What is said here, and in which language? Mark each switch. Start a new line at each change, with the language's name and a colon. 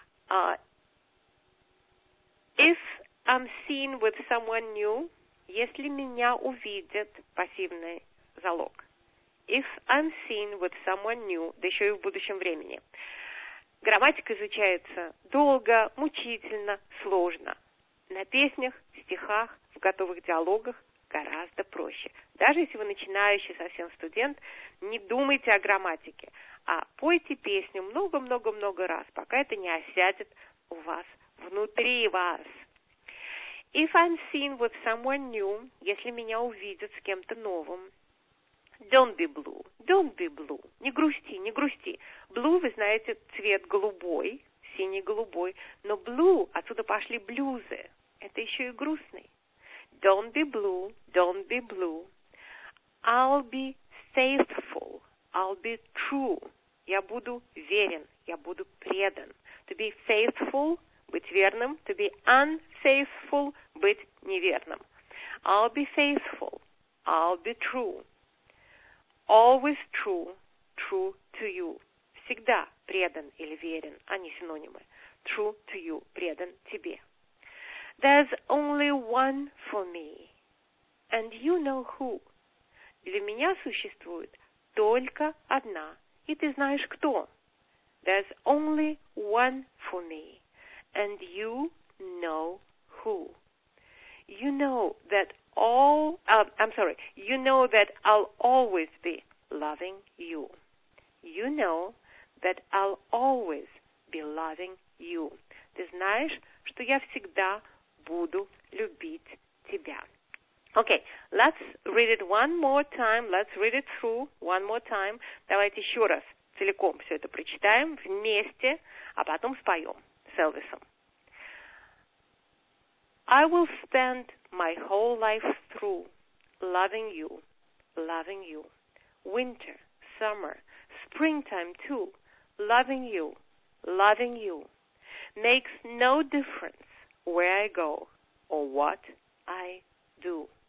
English: If I'm seen with someone new,
Russian: если меня увидят, пассивный залог.
English: If I'm seen with someone new,
Russian: да еще и в будущем времени. Грамматика изучается долго, мучительно, сложно. На песнях, стихах, в готовых диалогах гораздо проще. Даже если вы начинающий совсем студент, не думайте о грамматике, а пойте песню много-много-много раз, пока это не осядет у вас, внутри вас.
English: If I'm seen with someone new,
Russian: если меня увидят с кем-то новым,
English: don't be blue, don't be blue,
Russian: не грусти, не грусти. Blue, вы знаете, цвет голубой, синий-голубой, но blue, отсюда пошли блюзы, это еще и грустный.
English: Don't be blue, don't be blue. I'll be faithful, I'll be true.
Russian: Я буду верен, я буду предан.
English: To be faithful,
Russian: быть верным.
English: To be unfaithful,
Russian: быть неверным.
English: I'll be faithful, I'll be true. Always true, true to you.
Russian: Всегда предан или верен, а не синонимы.
English: True to you,
Russian: предан тебе.
English: There's only one for me, and you know who.
Russian: Для меня существует только одна, и ты знаешь кто.
English: There's only one for me, and you know who. You know that all, you know that I'll always be loving you. You know that I'll always be loving you.
Russian: Ты знаешь, что я всегда буду любить тебя.
English: Okay, let's read it one more time. Let's read it through one more time.
Russian: Давайте еще раз целиком все это прочитаем вместе, а потом споем с Элвисом.
English: I will spend my whole life through loving you, loving you. Winter, summer, springtime too, loving you, loving you. Makes no difference where I go or what I do.